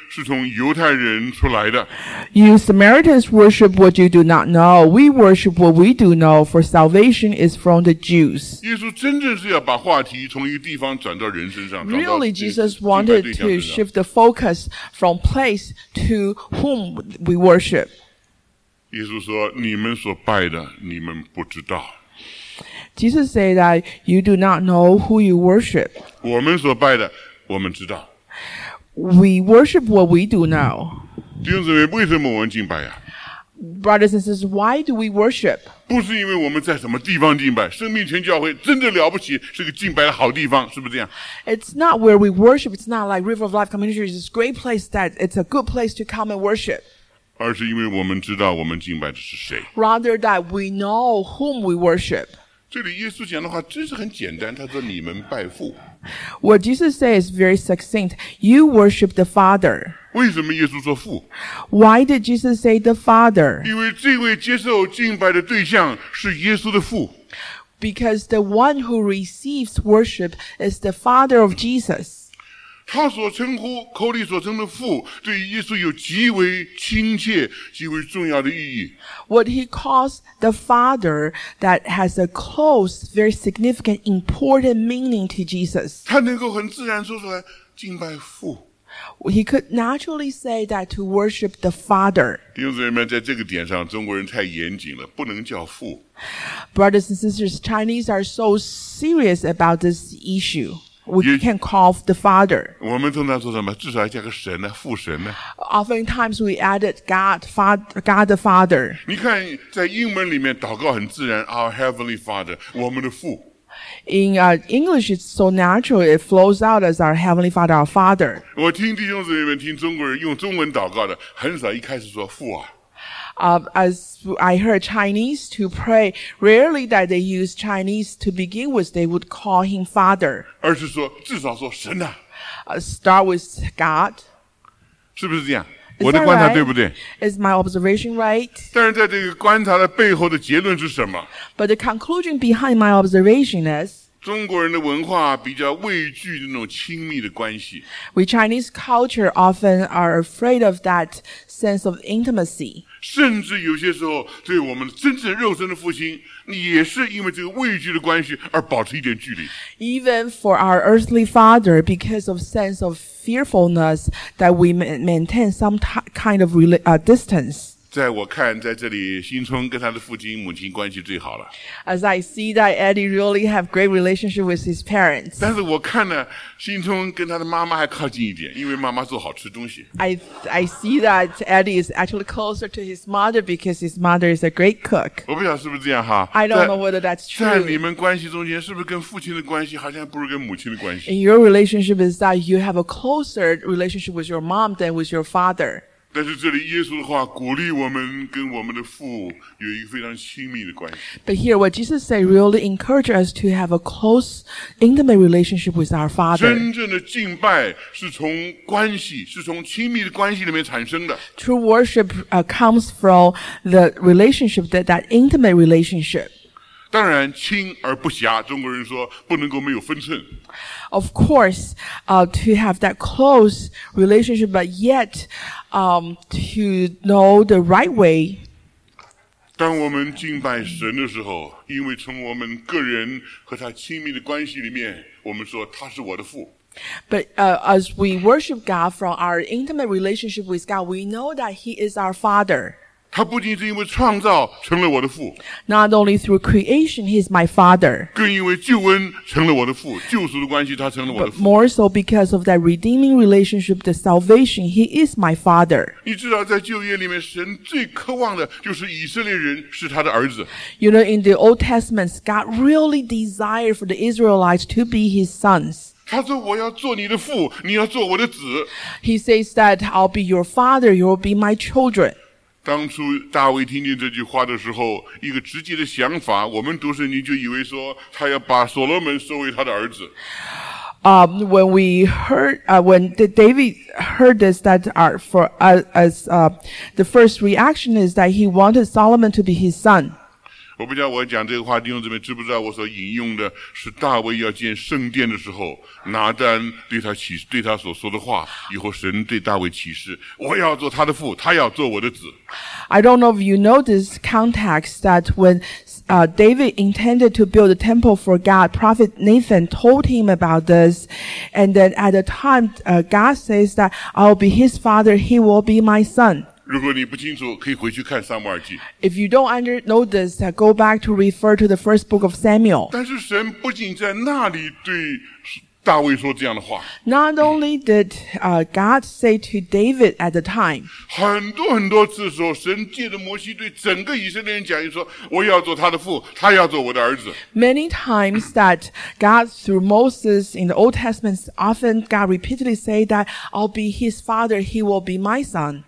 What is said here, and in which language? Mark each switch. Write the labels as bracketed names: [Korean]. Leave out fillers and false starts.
[Chinese] 是从犹太人出来的。 [English] You Samaritans worship what you do not know. We worship what we do know. For salvation is from the Jews. [Chinese] 耶稣真正是要把话题从一个地方转到人身上。 [English] Really, Jesus wanted to shift the focus from place to whom we worship. [Chinese] 耶稣说：“你们所拜的，你们不知道。” [English] Jesus said that you do not know who you worship. [Chinese] 我们所拜的，我们知道。 [English] We worship what we do now. [Chinese] 弟兄姊妹，为什么我们敬拜啊？ [English] Brothers and sisters, why do we worship? [Chinese] 不是因为我们在什么地方敬拜，生命泉教会真的了不起，是个敬拜的好地方，是不是这样？ [English] It's not where we worship, it's not like River of Life Community Church, it's a great place it's a good place to come and worship. [Chinese] 而是因为我们知道我们敬拜的是谁。 [English] Rather that we know whom we worship. [Chinese] 这里耶稣讲的话真是很简单，他说你们拜父。 [English] What Jesus says is very succinct. You worship the Father. [Chinese] 为什么耶稣说父？ [English] Why did Jesus say the Father? [Chinese] 因为这位接受敬拜的对象是耶稣的父。 [English] Because the one who receives worship is the Father of Jesus. [Chinese] 他所称呼，口里所称的父，对耶稣有极为亲切，极为重要的意义。 [English] What he calls the Father that has a close, very significant, important meaning to Jesus. [Chinese] 他能够很自然说出来，敬拜父。 [English] He could naturally say that to worship the Father. [Chinese] 弟兄姊妹们，在这个点上，中国人太严谨了，不能叫父。 [English] Brothers and sisters, Chinese are so serious about this issue. We can call the Father. [Chinese] 我们通常说什么？至少要加个神呢，父神呢。 [English] Oftentimes we added God the Father. [Chinese] 你看，在英文里面祷告很自然 ， [English] Our Heavenly Father， [Chinese] 我们的父。 [English] In English, it's so natural, it flows out as our Heavenly Father, our Father. [Chinese] 我听弟兄姊妹们听中国人用中文祷告的，很少一开始说父啊。 [English] As I heard Chinese to pray, rarely that they use Chinese to begin with, they would call him Father. [Chinese] 而是说，至少说神啊。 [English] Start with God. [Chinese] 是不是这样？我的观察对不对？ [English] Is my observation right? [Chinese] 但是在这个观察的背后的结论是什么？ [English] But the conclusion behind my observation is, [Chinese] 中国人的文化比较畏惧那种亲密的关系。 [English] We Chinese culture often are afraid of that sense of intimacy. [Chinese] 甚至有些时候对我们真正肉身的父亲也是因为这个畏惧的关系而保持一点距离。 [English] Even for our earthly father, because of sense of fearfulness, that we maintain some kind of distance. [Chinese] 在我看，在这里，新春跟他的父亲、母亲关系最好了。 [English] As I see that Eddie really have great relationship with his parents. [Chinese] 但是我看呢，新春跟他的妈妈还靠近一点，因为妈妈做好吃东西。 [English] I see that Eddie is actually closer to his mother because his mother is a great cook. [Chinese] 我不晓得是不是这样哈。 [English] I don't know whether that's true. [Chinese] 在你们关系中间，是不是跟父亲的关系好像不如跟母亲的关系 [English] ？In your relationship, is that you have a closer relationship with your mom than with your father? [Chinese] 但是这里耶稣的话鼓励我们跟我们的父有一个非常亲密的关系。 [English] But here, what Jesus said really encourages us to have a close, intimate relationship with our Father. [Chinese] 真正的敬拜是从关系，是从亲密的关系里面产生的。 [English] True worship comes from the relationship, that intimate relationship. [Chinese] 当然，亲而不暇，中国人说不能够没有分寸。 [English] Of course, to have that close relationship, but yet, to know the right way. [Chinese] 当我们敬拜神的时候，因为从我们个人和他亲密的关系里面，我们说他是我的父。 [English] But as we worship God from our intimate relationship with God, we know that He is our Father. [Chinese] 他不仅是因为创造成了我的父。 [English] Not only through creation, He is my Father. [Chinese] 更因为救恩成了我的父，救赎的关系他成了我的父。 [English] But more so because of that redeeming relationship, the salvation, He is my Father. [Chinese] 你知道在旧约里面神最渴望的就是以色列人是他的儿子。 [English] You know, in the Old Testament, God really desired for the Israelites to be His sons. [Chinese] 他说我要做你的父，你要做我的子。 [English] He says that I'll be your father, you'll be my children. [Chinese] 当初大卫听见这句话的时候，一个直接的想法，我们读圣经就以为说他要把所罗门收为他的儿子。 [English] When David heard this, that are for as the first reaction is that he wanted Solomon to be his son. [Chinese] 我不知道我讲这个话，弟兄姊妹知不知道我所引用的是大卫要建圣殿的时候，拿单对他所说的话，以后神对大卫启示，我要做他的父，他要做我的子。 [English] I don't know if you know this context that when David intended to build a temple for God, Prophet Nathan told him about this, and then at the time God says that I'll be his father, he will be my son. [Chinese] 如果你不清楚，可以回去看撒母耳记。 [English] If you don't know this, go back to refer to the first book of Samuel. [Chinese] 但是神不仅在那里对大卫说这样的话。 [English] Not only did God say to David at the time. [Chinese] 很多很多次的时候，神借着摩西对整个以色列人讲，说我要做他的父，他要做我的儿子。 [English] Many times that God through Moses in the Old Testament, often God repeatedly say that I'll be his father, he will be my son.